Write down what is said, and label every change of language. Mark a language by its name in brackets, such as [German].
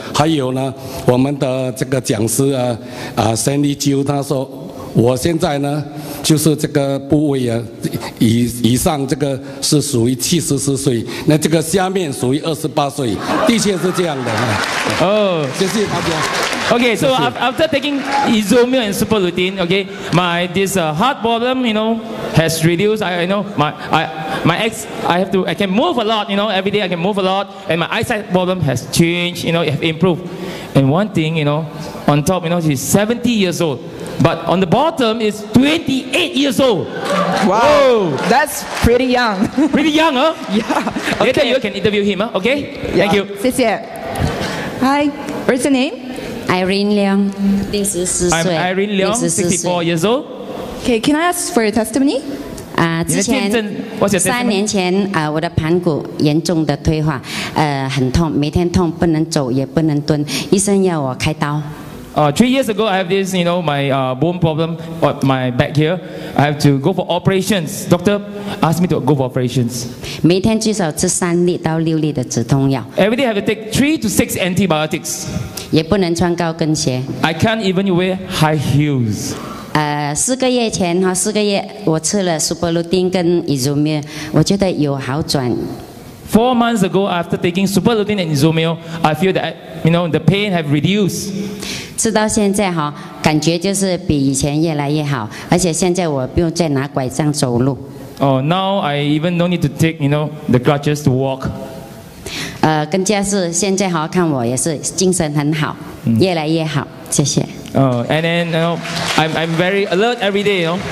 [Chinese] 还有呢，我们的这个讲师Sandy Jiu 他说。我现在呢，就是这个部位啊，以上这个是属于74岁，那这个下面属于28岁，的确是这样的。谢谢大家。 [English] Okay, so after taking Isomil and Superlutin, okay, my this heart problem, you know, has reduced. I can move a lot, you know, every day I can move a lot, and my eyesight problem has changed, you know, it has improved. And one thing, you know, on top, you know, she's 70 years old. But on the bottom is 28 years old. Wow, that's pretty young. Pretty young, huh? Yeah. Okay. Later you can interview him, huh? Okay? Yeah. Thank you. [Chinese] 谢谢。 [English] Hi, what's your name? [Chinese] Irene Leung, 64岁。 [English] I'm Irene Leung, 64 years old. Okay, can I ask for your testimony? 之前 What's your testimony? [Chinese] 3年前，我的盘骨严重的退化，很痛，每天痛，不能走也不能蹲，医生要我开刀。 [English] 3 years ago, I have this, you know, my bone problem, my back here. I have to go for operations. Doctor asked me to go for operations. [Chinese] 每天至少吃3粒到6粒的止痛药。 [English] Every day I have to take 3 to 6 antibiotics. [Chinese] 也不能穿高跟鞋。 [English] I can't even wear high heels. [Chinese] 4个月前，我吃了 Superlutin 跟 Isomil, 我觉得有好转。 [English] 4 months ago, after taking Superlutin and Isomil, I feel that, you know, the pain have reduced. [Chinese] 吃到现在感觉就是比以前越来越好，而且现在我不用再拿拐杖走路。 [English] Now I even don't need to take, you know, the crutches to walk. [Chinese] 更加是现在看我也是精神很好，越来越好，谢谢。 [English] And then, you know, I'm very alert every day, you know.